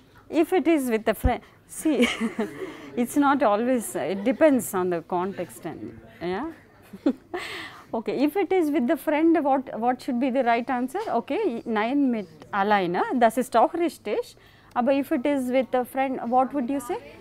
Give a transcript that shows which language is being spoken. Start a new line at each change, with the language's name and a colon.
English: If it is with a friend, see, it's not always, it depends on the context and, yeah? Okay, if it is with the friend, what should be the right answer?
German: Okay, nein, mit alleine, das ist auch richtig.
English: Aber if it is with a friend, what would you say?